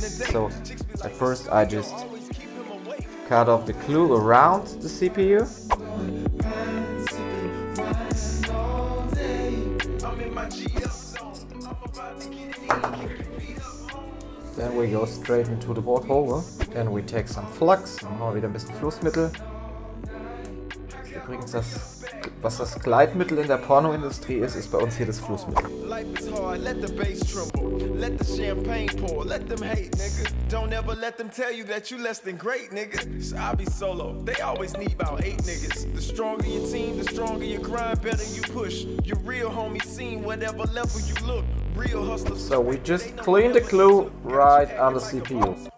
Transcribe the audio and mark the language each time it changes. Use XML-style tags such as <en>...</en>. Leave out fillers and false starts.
<en>So at first I just cut off the glue around the CPU. Then we go straight into the board holder. Then we take some flux.</en> <de>Mal wieder ein bisschen Flussmittel. Übrigens, das, was das Gleitmittel in der Pornoindustrie ist, ist bei uns hier das Flussmittel.</de> <en>Life is hard, let the bass tremble. Let the champagne pour, let them hate, nigga. Don't ever let them tell you that you less than great, nigga. So I be solo, they always need about 8 niggas. The stronger your team, the stronger your grind, better you push. Your real homie scene, whatever level you look. So we just clean the glue right on the CPU.</en>